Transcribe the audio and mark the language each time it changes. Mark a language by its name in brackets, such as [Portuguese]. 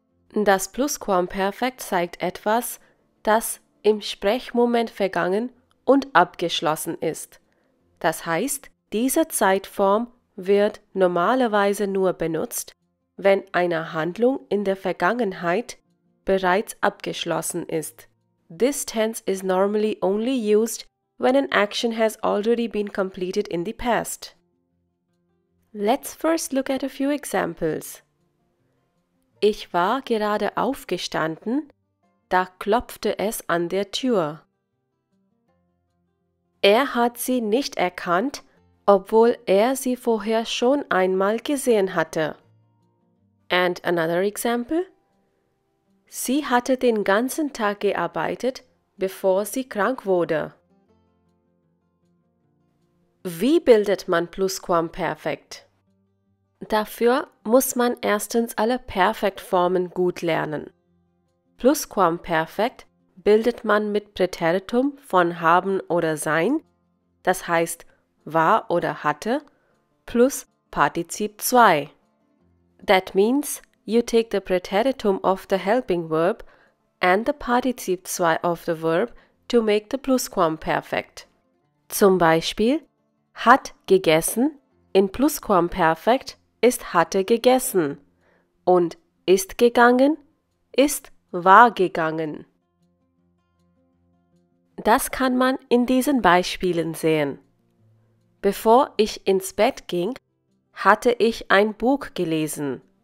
[German] Das Plusquamperfekt zeigt etwas, das im Sprechmoment vergangen und abgeschlossen ist. Das heißt, diese Zeitform wird normalerweise nur benutzt, wenn eine Handlung in der Vergangenheit bereits abgeschlossen ist. [English] This tense is normally only used when an action has already been completed in the past. Let's first look at a few examples. [German] Ich war gerade aufgestanden, da klopfte es an der Tür. Er hat sie nicht erkannt, obwohl er sie vorher schon einmal gesehen hatte. [English] And another example? [German] Sie hatte den ganzen Tag gearbeitet, bevor sie krank wurde. Wie bildet man Plusquamperfekt? Dafür muss man erstens alle Perfektformen gut lernen. Plusquamperfekt bildet man mit Präteritum von haben oder sein, das heißt war oder hatte, plus Partizip 2. [English] That means, you take the preteritum of the helping verb and the particip 2 of the verb to make the plusquamperfect. [German] Zum Beispiel, hat gegessen in plusquamperfect ist hatte gegessen und ist gegangen ist war gegangen. Das kann man in diesen Beispielen sehen. Bevor ich ins Bett ging, hatte ich ein Buch gelesen.